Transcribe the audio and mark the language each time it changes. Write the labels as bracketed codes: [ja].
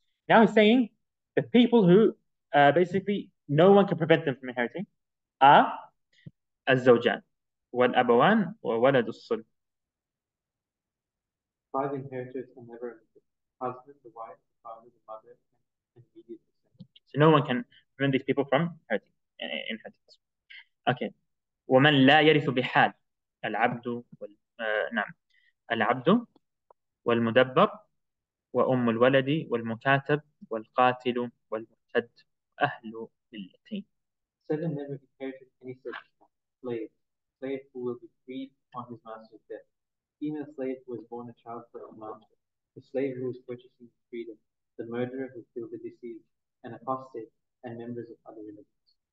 [en] Now he's saying the people who basically no one can prevent them from inheriting are [ar] الزوجان والأبوان وولد الصلب. [en] Five inheritors can never husband, the wife, the father, the mother, and immediate descendants. So no one can prevent these people from inheriting. Okay. [ar] ومن لا يرث بحال العبد وال نعم العبد والمدبر وأم الولد والمكاتب والقاتل والمرتد أهل اليتيم. [en] Seven never inherited any such slave, slave who will be freed on his master's death. Female slave who was born a child for a master, the slave who was purchasing freedom, the murderer who killed the deceased, an apostate, and members of other religions.